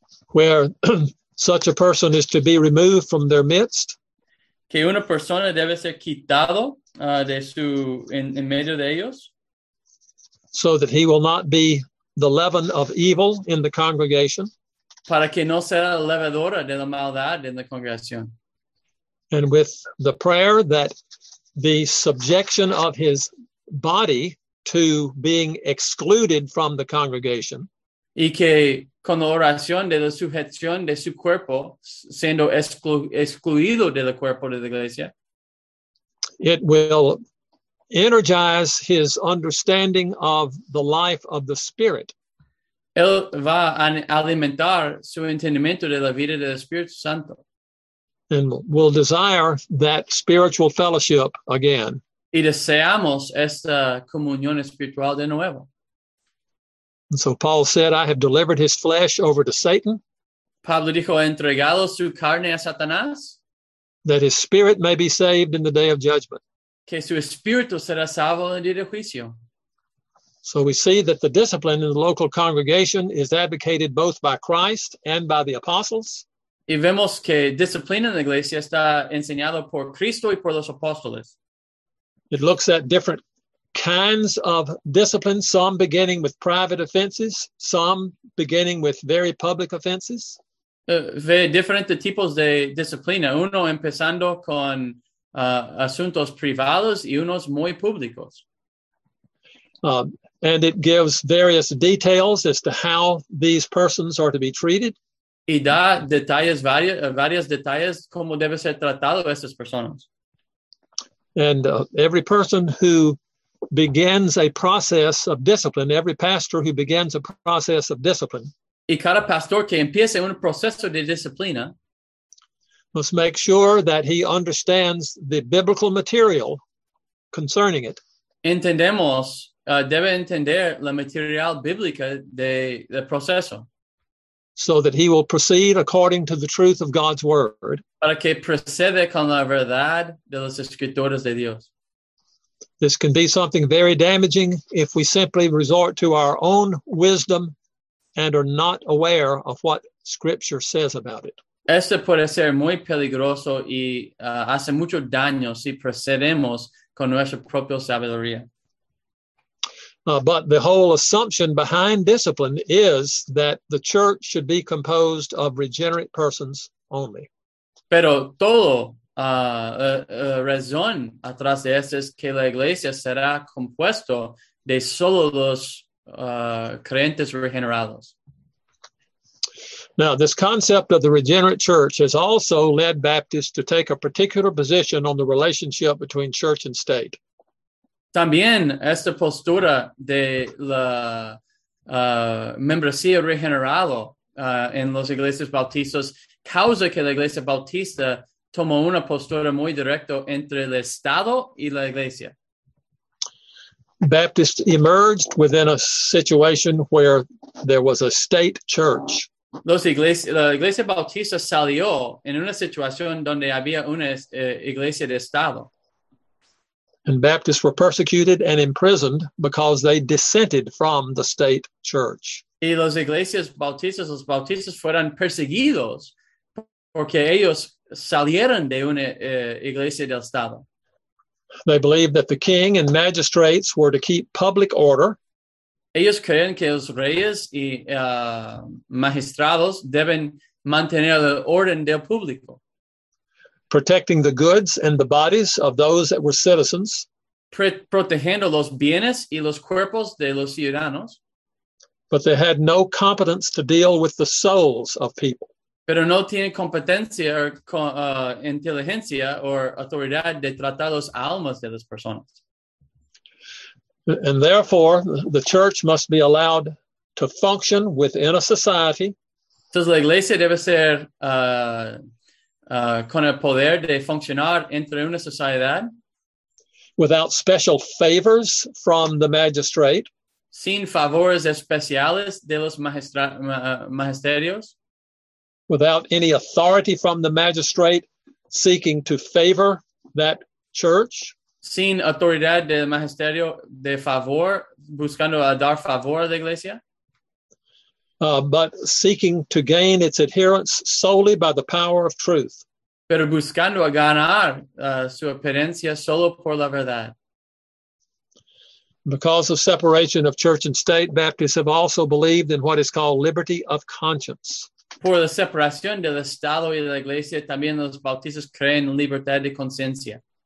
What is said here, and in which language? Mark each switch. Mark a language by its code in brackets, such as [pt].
[en] Where such a person is to be removed from their midst. [es] Que una persona debe ser quitado de su en medio de ellos. [en] So that he will not be the leaven of evil in the congregation. [es] Para que no sea la levadura de la maldad en la congregación. [en] And with the prayer that the subjection of his body to being excluded from the congregation. [es] Y que con la oración de la sujeción de su cuerpo, siendo excluido de la cuerpo de la iglesia. [en] It will energize his understanding of the life of the Spirit. [es] Él va a alimentar su entendimiento de la vida del Espíritu Santo. [en] And will desire that spiritual fellowship again. [es] Y deseamos esta comunión espiritual de nuevo. [en] And so Paul said, I have delivered his flesh over to Satan. [es] Pablo dijo, he entregado su carne a Satanás. [en] That his spirit may be saved in the day of judgment. [es] Que su espíritu será salvo en el día de juicio. [en] So we see that the discipline in the local congregation is advocated both by Christ and by the apostles. [es] Y vemos que disciplina en la iglesia está enseñado por Cristo y por los apóstoles. [en] It looks at different kinds of discipline, some beginning with private offenses, some beginning with very public offenses. [es] Ve diferentes tipos de disciplina, uno empezando con asuntos privados y unos muy públicos. [en] And it gives various details as to how these persons are to be treated. [es] Y da detalles, varios detalles, cómo debe ser tratado estas personas. [en] And every person who begins a process of discipline, every pastor who begins a process of discipline. [es] Y cada pastor que empieza un proceso de disciplina. [en] Must make sure that he understands the biblical material concerning it. [es] Entendemos, debe entender la material bíblica de proceso. [en] So that he will proceed according to the truth of God's word. [es] Para que procede con la verdad de las escrituras de Dios. [en] This can be something very damaging if we simply resort to our own wisdom and are not aware of what Scripture says about it. [es] Este puede ser muy peligroso y hace mucho daño si procedemos con nuestra propia sabiduría. [en] But the whole assumption behind discipline is that the church should be composed of regenerate persons only. [es] Pero todo razón atrás de esto es que la iglesia será compuesto de solo los creyentes regenerados. [en] Now, this concept of the regenerate church has also led Baptists to take a particular position on the relationship between church and state. [es] También esta postura de la membresía regenerado en los iglesias bautistas causa que la iglesia bautista tomó una postura muy directa entre el Estado y la iglesia. [en] Baptists emerged within a situation where there was a state church. [es] La iglesia bautista salió en una situación donde había una iglesia de Estado. [en] And Baptists were persecuted and imprisoned because they dissented from the state church. [es] Y las iglesias bautistas, los bautistas fueron perseguidos porque ellos salieron de una iglesia del Estado. [en] They believed that the king and magistrates were to keep public order. [es] Ellos creen que los reyes y magistrados deben mantener el orden del público. [en] Protecting the goods and the bodies of those that were citizens. [es] Protegiendo los bienes y los cuerpos de los ciudadanos. [en] But they had no competence to deal with the souls of people. [es] Pero no tienen competencia o inteligencia o autoridad de tratar las almas de las personas. [en] And therefore, the church must be allowed to function within a society. [es] Entonces, la iglesia debe ser con el poder de funcionar entre una sociedad. [en] Without special favors from the magistrate. [es] Sin favores especiales de los magisterios. [en] Without any authority from the magistrate seeking to favor that church. [es] Sin autoridad del magisterio de favor, buscando a dar favor a la iglesia. [en] But seeking to gain its adherence solely by the power of truth. [es] Pero buscando a ganar su adherencia solo por la verdad. [en] Because of separation of church and state, Baptists have also believed in what is called liberty of conscience. [es] Por la separación del Estado y de la Iglesia, también los bautistas creen en libertad de conciencia.